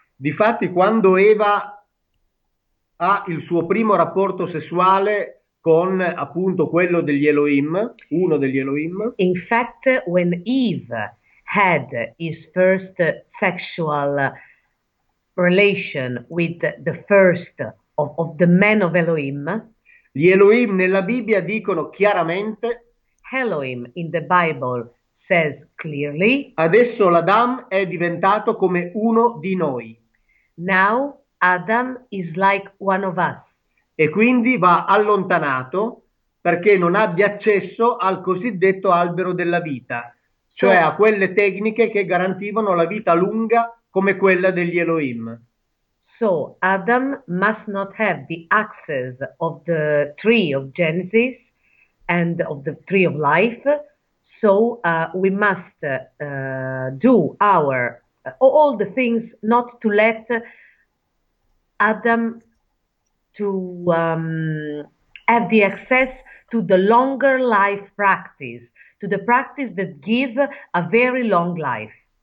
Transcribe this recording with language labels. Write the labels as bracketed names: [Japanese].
[Italian] Difatti, quando Eva ha il suo primo rapporto sessuale con appunto quello degli Elohim, uno degli Elohim, [English] In fact, when Eve had his first sexual relation with the first of the men of [Italian] gli Elohim nella Bibbia dicono chiaramente, [English] Elohim in the Bible says clearly, [Italian] adesso l'Adam è diventato come uno di noi. E [English] Now Adam is like one of us. [Italian] quindi va allontanato perché non ha di accesso al cosiddetto albero della vita, cioè a [English] So, [Italian] quelle tecniche che garantivano la vita lunga come quella degli Elohim. [English] Adam must not have the access of the tree of Genesis and of the tree of life. So we must do our all the things not to let Adam to have the access to the longer life practice. To the practice that give a very long life.